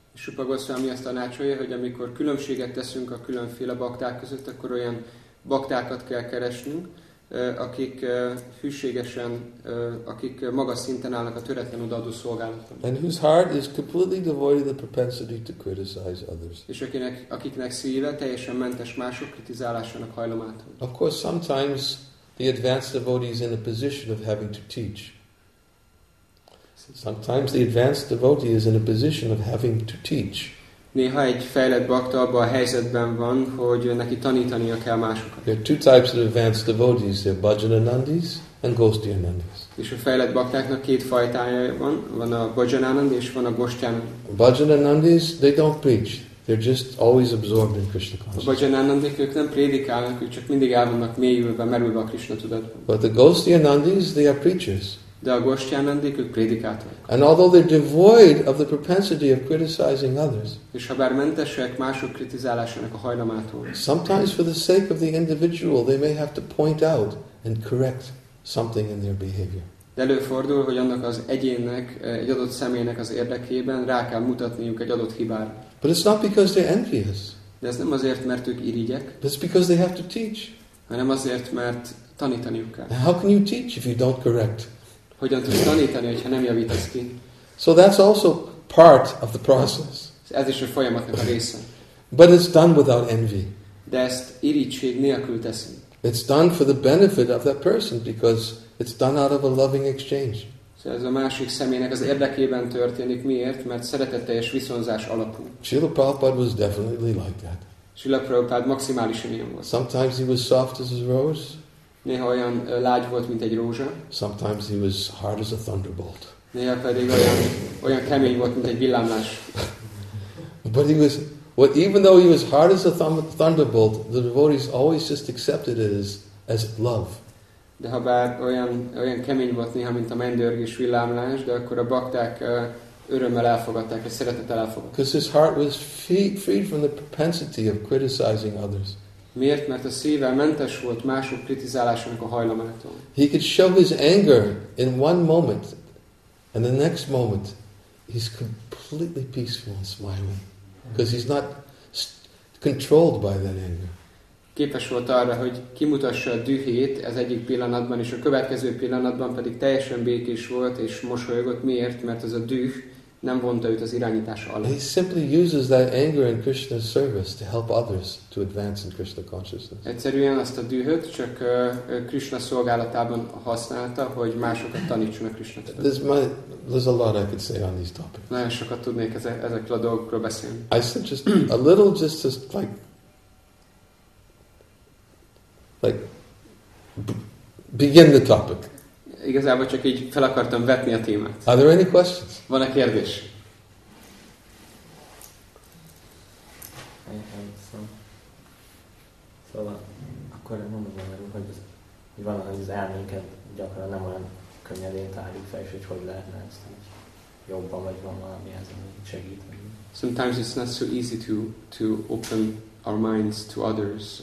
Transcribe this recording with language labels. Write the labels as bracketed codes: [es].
[hu] Rupa Goswami azt tanácsolja, hogy amikor különbséget teszünk a különféle bakták között, akkor olyan baktákat kell keresnünk, akik hűségesen, akik magas szinten állnak a töretlen odaadó szolgálatban. [en] And whose heart is completely devoid of the propensity to criticize others. [hu] És akiknek szíve teljesen mentes mások kritizálásának hajlamától. [en] Of course, sometimes the advanced devotee is in a position of having to teach. Sometimes the advanced devotee is in a position of having to teach. [hu] Néha egy fejlett bakta abban a helyzetben van, hogy neki tanítania kell másokat. [en] There are two types of advanced devotees. There are Bhajanandis and Gostiyanandis. [hu] És a fejlett baktáknak két fajtája van. Van a Bhajanandi és van a Gostiyanandi. [en] Bhajanandis, they don't preach. They're just always absorbed in Krishna consciousness. [hu] A Bhajanandik, ők nem prédikálnak, ők csak mindig el vannak mélyülve, merülve a Krishna tudatban. [en] But the Gostiyanandis, they are preachers. [hu] De a Gostiyanandik, ők prédikátorok. [en] And although they're devoid of the propensity of criticizing others, [hu] és ha bár mentesek mások kritizálásának a hajlamától, [en] sometimes for the sake of the individual, they may have to point out and correct something in their behavior. [hu] De előfordul, hogy annak az egyének, egy adott személynek az érdekében rá kell mutatniuk egy adott hibára. [en] But it's not because they're envious. [hu] De ez nem azért, mert ők irigyek. [en] But it's because they have to teach. [hu] Hanem azért, mert tanítaniuk kell. [en] Now how can you teach if you don't correct? [hu] Hogyan tudsz tanítani, hogyha nem javítasz ki? [en] So that's also part of the process. [hu] Ez is a folyamatnak a része. [en] But it's done without envy. [hu] De ezt irigység nélkül teszi. [en] It's done for the benefit of that person because it's done out of a loving exchange. [hu] Szóval ez a másik személynek az érdekében történik. Miért? Mert szeretetteljes viszonzás alapú. [en] Srila Prabhupada was definitely like that. [hu] Srila Prabhupada maximálisan ilyen volt. [en] Sometimes he was soft as a rose. [hu] Néha olyan lágy volt, mint egy rózsa. [en] Sometimes he was hard as a thunderbolt. [hu] Néha pedig olyan kemény volt, mint egy villámlás. [en] But he was, well, even though he was hard as a thunderbolt, the devotees always just accepted it as love. [hu] De ha bár olyan kemény volt néha, mint a mendörgés villámlás, de akkor a bakták örömmel elfogadták, és szeretettel elfogadták. [en] Because his heart was freed from the propensity of criticizing others. [hu] Miért? Mert a szíve mentes volt mások kritizálásának a hajlamától. [en] He could show his anger in one moment, and the next moment he's completely peaceful and smiling, because he's not controlled by that anger. [hu] Képes volt arra, hogy kimutassa a dühét az egyik pillanatban, és a következő pillanatban pedig teljesen békés volt és mosolyogott. Miért? Mert az a düh nem vonta őt az irányítása alatt. [en] He simply uses that anger in Krishna's service to help others to advance in Krishna consciousness. [hu] Egyszerűen azt a dühöt csak Krishna szolgálatában használta, hogy másokat tanítson a Krishna tudatban. [en] There's a lot I could say on these topics. [hu] Nagyon sokat tudnék ezekről a dolgokról beszélni. [en] I said just a little, just like begin the topic. [hu] Igazából csak így fel akartam vetni a témát. [en] Are there any questions? [hu] Van a kérdés? [en] I have some. [hu] Szóval akkor mondom, hogy valahogy az elménket gyakran nem olyan könnyedén tárjuk fel, és hogy hogy lehetne ezt így jobban, vagy van valami ezen segíteni. [en] Sometimes it's not so easy to open our minds to others.